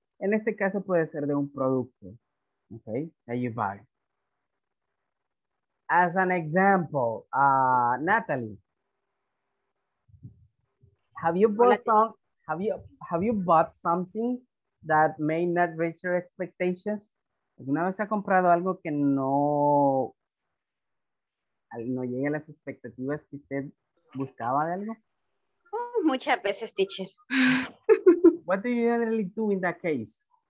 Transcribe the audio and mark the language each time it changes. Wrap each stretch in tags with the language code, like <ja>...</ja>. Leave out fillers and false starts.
<es>En este caso puede ser de un producto, okay,</es> <en>that you buy. As an example, Natalie, have you bought something that may not reach your expectations?</en> <es>¿Alguna vez ha comprado algo que no llegue a las expectativas que usted buscaba de algo? Muchas veces, teacher.</es> <en>What do you generally do in that case?</en>